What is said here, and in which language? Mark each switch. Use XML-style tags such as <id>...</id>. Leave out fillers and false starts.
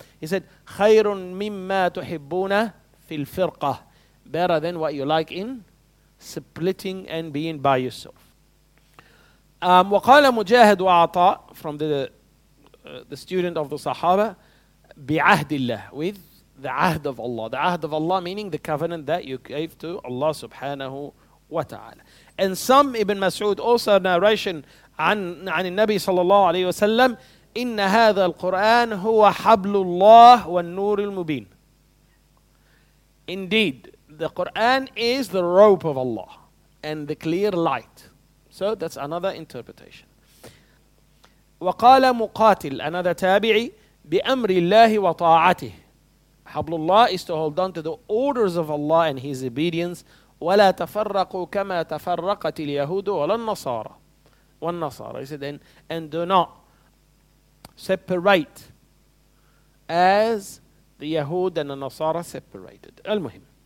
<en>He said,</en> <ar>خَيْرٌ مِمَّا تُحِبُّونَ فِي الْفِرْقَةِ,</ar> <en>better than what you like in splitting and being by yourself.</en> <ar>وَقَالَ مُجَاهَدْ وَعَطَى,</ar> <en>from the student of the Sahaba,</en> <ar>بِعَهْدِ اللَّهِ,</ar> <en>with the ahd of Allah. The ahd of Allah meaning the covenant that you gave to Allah subhanahu wa ta'ala. And some Ibn Mas'ud also narration</en> <ar>عن النبي صلى الله عليه وسلم إن هذا القرآن هو حبل الله والنور المبين.</ar> <en>Indeed, the Quran is the rope of Allah and the clear light. So that's another interpretation.</en> <ar>وقال مقاتل, another تابعي, بأمر الله وطاعته.</ar> <en>Hablullah is to hold on to the orders of Allah and His obedience.</en> <ar>وَلَا تَفَرَّقُوا كَمَا تَفَرَّقَتِ الْيَهُودُ وَلَا النَّصَارَى وَالنَّصَارَى.</ar> <en>He said, and do not separate as the Yahud and the Nasara separated. Al-Muhim.</en>